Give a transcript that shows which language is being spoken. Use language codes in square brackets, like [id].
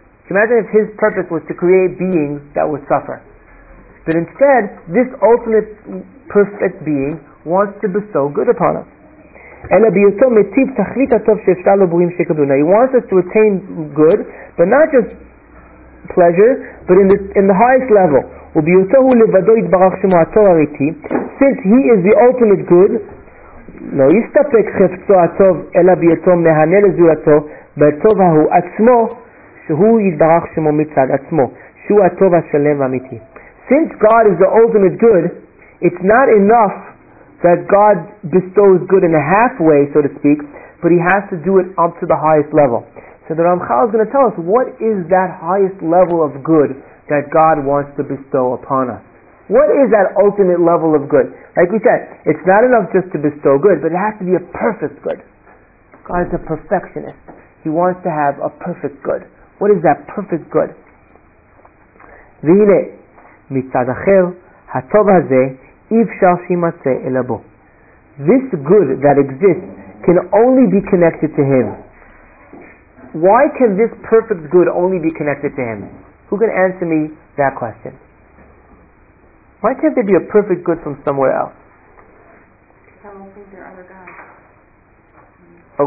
[en] Can you imagine if His purpose was to create beings that would suffer? But instead, this ultimate perfect being wants to bestow good upon us. He wants us to attain good, but not just pleasure, but in the highest level. [he] Since He is the ultimate good, לא יסתפק חפצו הטוב אלא ביתו מהנה לזולתו בטוב ההוא עצמו שהוא יתברך שמו מצד עצמו שהוא הטוב השלם ואמיתי. [en] Since God is the ultimate good, it's not enough that God bestows good in a halfway, so to speak, but He has to do it up to the highest level. So the Ramchal is going to tell us, what is that highest level of good that God wants to bestow upon us? What is that ultimate level of good? Like we said, it's not enough just to bestow good, but it has to be a perfect good. God is a perfectionist. He wants to have a perfect good. What is that perfect good? [he] V'hineh, מצד אחר, הטוב הזה אי אפשר שימצא אלא בו. [en] This good that exists can only be connected to Him. Why can this perfect good only be connected to Him? Who can answer me that question? Why can't there be a perfect good from somewhere else? Because I don't think there are other gods.